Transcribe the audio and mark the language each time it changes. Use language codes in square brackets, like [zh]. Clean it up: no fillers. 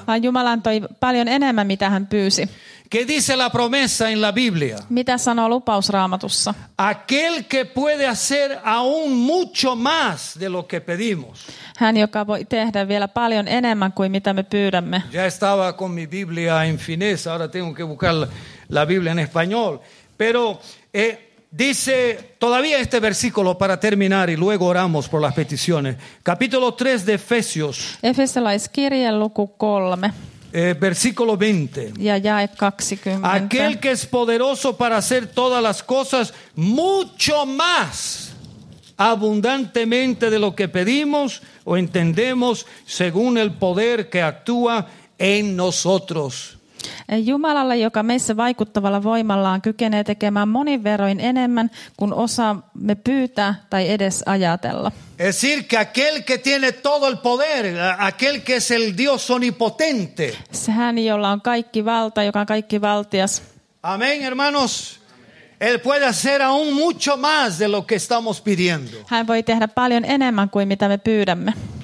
[fi] Vaan Jumala antoi paljon enemmän mitä hän pyysi. [es] ¿Qué dice la promesa en la Biblia? [fi] Mitä sanoo lupaus Raamatussa? [es] Aquel que puede hacer aún mucho más de lo que pedimos. [fi] Hän, joka voi tehdä vielä paljon enemmän kuin mitä me pyydämme. [es] Ya estaba con mi Biblia en finés, ahora tengo que buscar la Biblia en español. Pero dice todavía este versículo para terminar y luego oramos por las peticiones. Capítulo 3 de Efesios. [fi] Efesolaiskirje luku 3. [es] Versículo 20. [fi] Ja jae 20. [es] Aquel que es poderoso para hacer todas las cosas mucho más abundantemente de lo que pedimos o entendemos según el poder que actúa en nosotros. [fi] Jumalalle, joka meissä vaikuttavalla voimallaan kykenee tekemään monin verroin enemmän kuin osaamme pyytää tai edes ajatella. [es] Es decir, que aquel que tiene todo el poder, aquel que es el Dios omnipotente. [fi] Se hän, jolla on kaikki valta, joka on kaikki valtias. [es] Amén, hermanos. Él puede hacer aún mucho más de lo que estamos pidiendo. [fi] Hän voi tehdä paljon enemmän kuin mitä me pyydämme.